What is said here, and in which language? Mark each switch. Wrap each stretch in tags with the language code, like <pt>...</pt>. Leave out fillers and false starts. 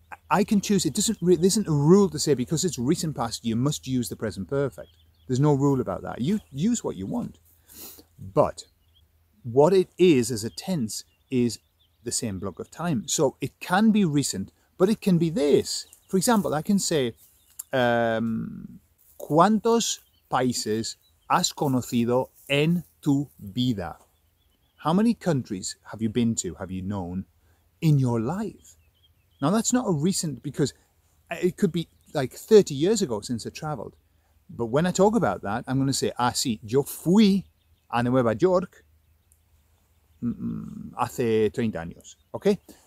<en>I can choose, there isn't a rule to say, because it's recent past, you must use the present perfect. There's no rule about that. You use what you want. But what it is as a tense is the same block of time. So it can be recent, but it can be this. For example, I can say,</en> <es>¿cuántos países has conocido en tu vida?</es> <en>How many countries have you been to, have you known in your life? Now, that's not a recent, because it could be like 30 years ago since I traveled. But when I talk about that, I'm going to say,</en> <es>ah, sí, yo fui a Nueva York hace 30 años.</es> <en>Okay?</en>